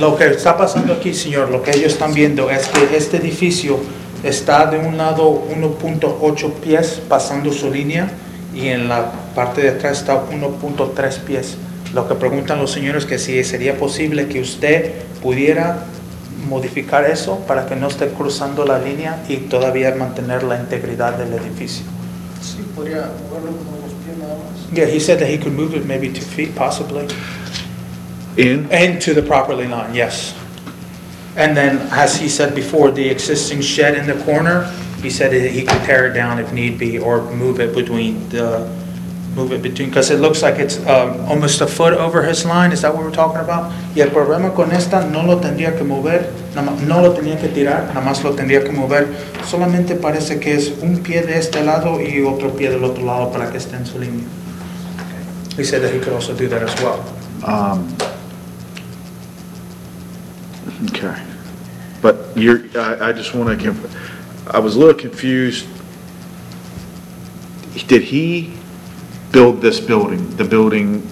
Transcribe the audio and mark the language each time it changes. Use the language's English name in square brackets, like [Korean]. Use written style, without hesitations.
[Spanish] Lo que está pasando aquí, señor, lo que ellos están viendo es que este edificio está de un lado 1.8 pies pasando su línea y en la parte de atrás está 1.3 pies. Lo que preguntan los señores que si sería posible que usted pudiera modificar eso para que no esté cruzando la línea y todavía mantener la integridad del edificio. [English] Yeah, he said that he could move it maybe 2 feet, possibly. In? And to the property line, yes. And then, as he said before, the existing shed in the corner, he said that he could tear it down if need be or move it between, because it looks like it's almost a foot over his line. Is that what we're talking about? [Spanish] Y el problema con esta no lo tendría que mover, no lo tenía que tirar, nada más lo tendría que mover. Solamente parece que es un pie de este lado y otro pie del otro lado para que esté en su línea. [English] He said that he could also do that as well. Okay. But I was a little confused. Did he build this building, the building...